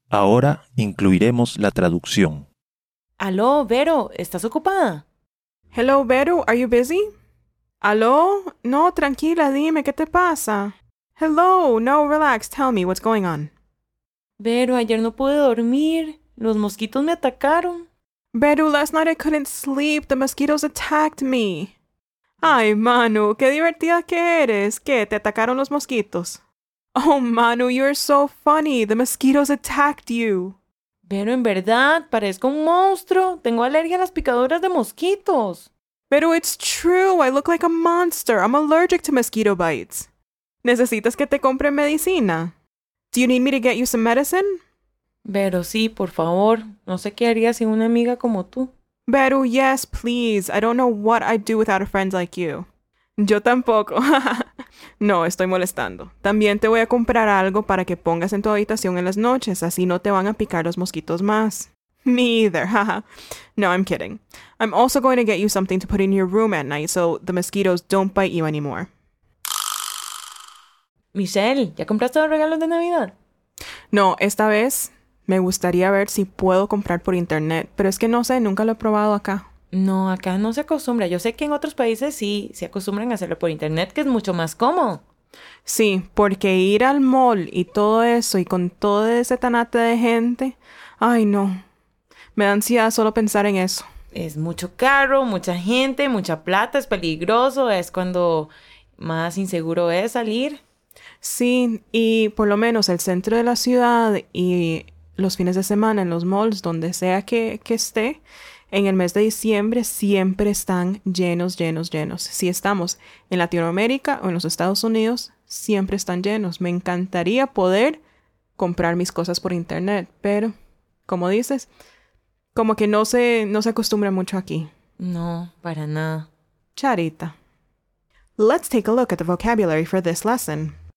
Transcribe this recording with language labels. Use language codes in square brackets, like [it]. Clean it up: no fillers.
[es] Ahora incluiremos la traducción. Aló, Vero, ¿estás ocupada? [en] Hello, Vero, are you busy? [es] Aló, no, tranquila, dime, ¿qué te pasa? [en] Hello, no, relax, tell me, what's going on? [es] Vero, ayer no pude dormir. Los mosquitos me atacaron. [en] Vero, last night I couldn't sleep. The mosquitos attacked me. [es] Ay, Manu, qué divertida que eres. ¿Qué? ¿Te atacaron los mosquitos? [en] Oh, Manu, you're so funny. The mosquitos attacked you. [es] Vero, en verdad, parezco un monstruo. Tengo alergia a las picaduras de mosquitos. [en] Vero, it's true. I look like a monster. I'm allergic to mosquito bites. [es] ¿Necesitas que te compre medicina? [en] Do you need me to get you some medicine? [es] Vero, sí, por favor. No sé qué haría sin una amiga como tú. [en] Vero, yes, please. I don't know what I'd do without a friend like you. [es] Yo tampoco. No, estoy molestando. También te voy a comprar algo para que pongas en tu habitación en las noches. Así no te van a picar los mosquitos más. [en] Me either. No, I'm kidding. I'm also going to get you something to put in your room at night so the mosquitoes don't bite you anymore. [es] Michelle, ¿ya compraste los regalos de Navidad? No, esta vez me gustaría ver si puedo comprar por internet, pero es que no sé, nunca lo he probado acá. No, acá no se acostumbra. Yo sé que en otros países sí, se acostumbran a hacerlo por internet, que es mucho más cómodo. Sí, porque ir al mall y todo eso y con todo ese tanate de gente, ay no, me da ansiedad solo pensar en eso. Es mucho carro, mucha gente, mucha plata, es peligroso, es cuando más inseguro es salir. Sí, y por lo menos el centro de la ciudad y los fines de semana en los malls, donde sea que esté, en el mes de diciembre siempre están llenos, llenos, llenos. Si estamos en Latinoamérica o en los Estados Unidos, siempre están llenos. Me encantaría poder comprar mis cosas por internet, pero, como dices, como que no se acostumbra mucho aquí. No, para nada. Charita. [en] Let's take a look at the vocabulary for this lesson.